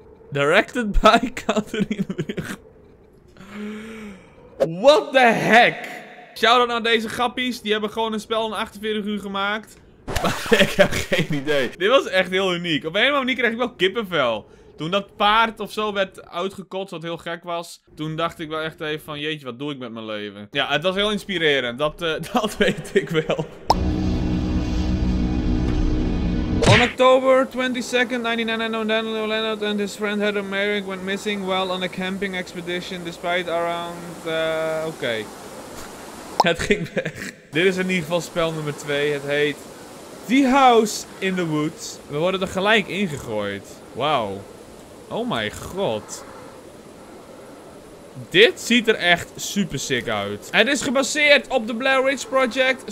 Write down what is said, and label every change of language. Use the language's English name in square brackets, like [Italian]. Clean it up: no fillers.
[English] Directed by Catherine Brugge. What the heck? [Dutch] Shoutout naar deze grappies. Die hebben gewoon een spel in 48 uur gemaakt. Ik heb geen idee. Dit was echt heel uniek. Op een of andere manier kreeg ik wel kippenvel. Toen dat paard of zo werd uitgekotst, wat heel gek was. Toen dacht ik wel echt even van, jeetje, wat doe ik met mijn leven? Ja, het was heel inspirerend. Dat weet ik wel. [English] On October 22nd, 1999, Leonard and his friend Heather Merrick went missing while on a camping expedition despite around... [Dutch] Oké. Het ging weg. Dit is in ieder geval spel nummer 2. Het heet The House in the Woods. We worden er gelijk ingegooid. Wauw. [English] Oh my god. [Dutch] Dit ziet er echt super sick uit. Het is gebaseerd op de Blair Witch Project.